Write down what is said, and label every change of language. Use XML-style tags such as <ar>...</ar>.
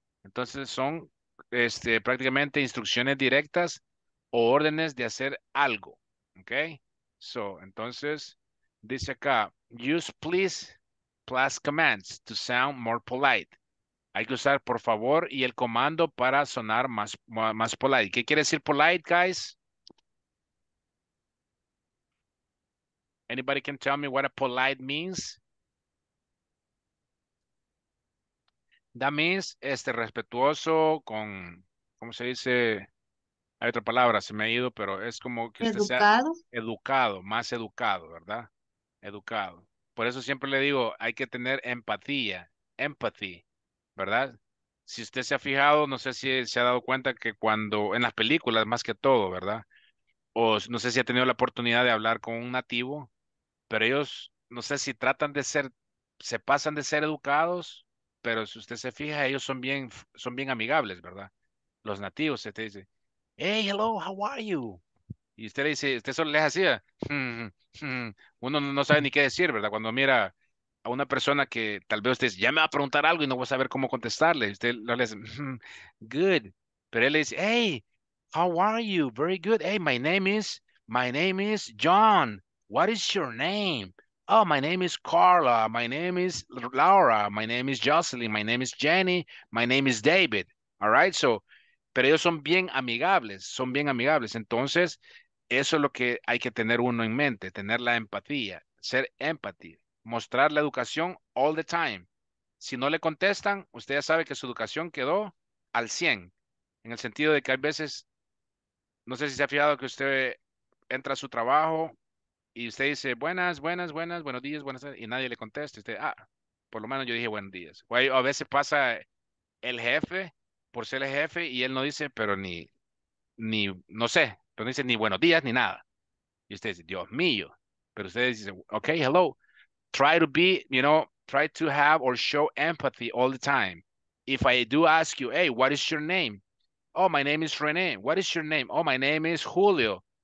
<es>Entonces son prácticamente instrucciones directas o órdenes de hacer algo, okay?</es> <en>So,</en> <es>entonces, dice acá,</es> <en>use please plus commands to sound more polite.</en> <es>Hay que usar por favor y el comando para sonar más polite. ¿Qué quiere decir polite, guys?</es> <en>Anybody can tell me what a polite means? That means</en> <es>respetuoso con, ¿cómo se dice? Hay otra palabra, se me ha ido, pero es como que usted sea educado, más educado, ¿verdad? Educado. Por eso siempre le digo, hay que tener empatía, empathy. ¿Verdad? Si usted se ha fijado, no sé si se ha dado cuenta que cuando, en las películas más que todo, ¿verdad? O no sé si ha tenido la oportunidad de hablar con un nativo, pero ellos, no sé si tratan de ser, se pasan de ser educados, pero si usted se fija, ellos son bien amigables, ¿verdad? Los nativos, usted dice,</es> <en>hey, hello, how are you?</en> <es>Y usted le dice, usted solo le hacía, uno no sabe ni qué decir, ¿verdad? Cuando mira a una persona que tal vez usted ya me va a preguntar algo y no va a saber cómo contestarle. Usted no le dice, good. Pero él le dice,</es> <en>hey, how are you? Very good. Hey, my name is John. What is your name? Oh, my name is Carla. My name is Laura. My name is Jocelyn. My name is Jenny. My name is David. All right?</en> <es>So, pero ellos son bien amigables. Son bien amigables. Entonces, eso es lo que hay que tener uno en mente. Tener la empatía. Ser empathy. Mostrar la educación</es> <en>all the time.</en> <es>Si no le contestan, usted ya sabe que su educación quedó al 100. En el sentido de que hay veces, no sé si se ha fijado que usted entra a su trabajo y usted dice, buenas, buenas, buenas, buenos días, buenas tardes, y nadie le contesta. Usted, ah, por lo menos yo dije buenos días. O a veces pasa el jefe, por ser el jefe, y él no dice, pero ni no sé, pero no dice ni buenos días ni nada. Y usted dice, Dios mío. Pero usted dice,</es> <en>okay, hello. Try to be, you know, try to have or show empathy all the time. If I do ask you, hey, what is your name? Oh, my name is Renee. What is your name? Oh, my name is Julio.</en>